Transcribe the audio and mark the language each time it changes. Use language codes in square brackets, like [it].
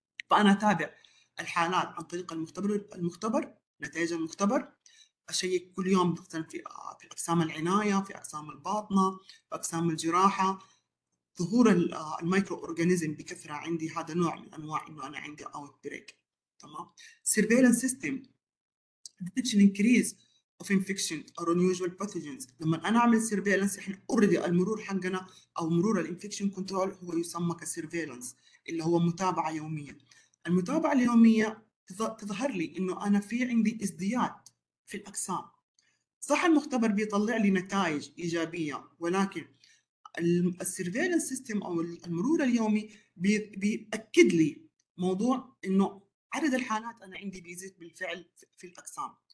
[ar] فانا اتابع الحالات عن طريق المختبر نتائج المختبر، اشيك كل يوم مثلا في اقسام العنايه، في اقسام الباطنه، في اقسام الجراحه، ظهور المايكرو اورجانيزم بكثره عندي، هذا نوع من انواع انه انا عندي اوت بريك. تمام، [en] Surveillance system detection increase of infection or unusual pathogens. [ar] لما انا اعمل surveillance احنا [en] already [ar] المرور حقنا او مرور الانفكشن كنترول هو يسمى كسيرفيلانس اللي هو متابعه يوميه. المتابعه اليوميه تظهر لي انه انا في عندي ازدياد في الاجسام. صح المختبر بيطلع لي نتائج ايجابيه، ولكن [en] السيرفيلانس سيستم [ar] او المرور اليومي بياكد لي موضوع انه عدد الحالات انا عندي بيزيد بالفعل في الاجسام.